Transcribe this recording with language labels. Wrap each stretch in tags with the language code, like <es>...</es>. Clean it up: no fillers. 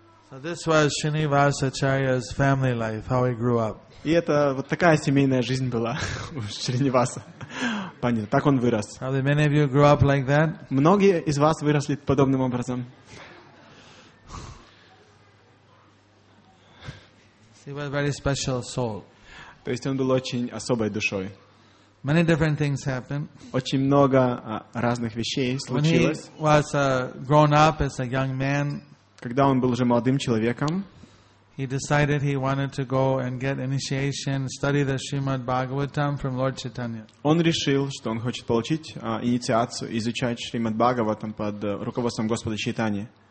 <en>So this was Srinivas Acharya's family life, how he grew up.</en> <ru>И это вот такая семейная жизнь была у Шринаваса. Понятно, так он вырос.</ru> <en>Many of you grew up like that?</en> <ru>Многие из вас выросли подобным образом.</ru> <en>He was a very special soul.</en> <ru>То есть он был очень особой душой.</ru> <en>Many different things happened.</en> <ru>Очень много разных вещей случилось.</ru> <en>When he was grown up as a young man,</en> <ru>когда он был уже молодым человеком,</ru> <en>he decided he wanted to go and get initiation, study the Srimad Bhagavatam from Lord Chaitanya.</en> <ru>Он решил, что он хочет получить инициацию, изучать Шримад Бхагаватам под руководством Господа Чайтаньи.</ru>